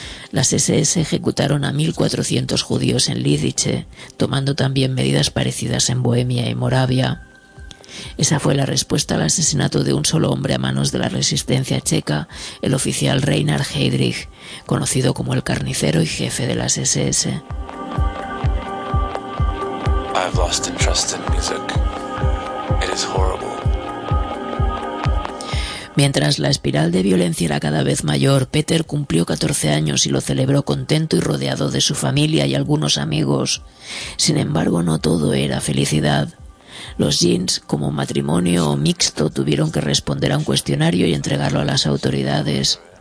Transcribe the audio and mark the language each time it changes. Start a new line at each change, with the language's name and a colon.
Spanish: Las SS ejecutaron a 1.400 judíos en Lidice, tomando también medidas parecidas en Bohemia y Moravia. Esa fue la respuesta al asesinato de un solo hombre a manos de la resistencia checa, el oficial Reinhard Heydrich, conocido como el carnicero y jefe de las SS.
English: I have lost interest in music. It is horrible.
Spanish: Mientras la espiral de violencia era cada vez mayor, Peter cumplió 14 años y lo celebró contento y rodeado de su familia y algunos amigos. Sin embargo, no todo era felicidad. Los Jeans, como matrimonio mixto, tuvieron que responder a un cuestionario y entregarlo a las autoridades.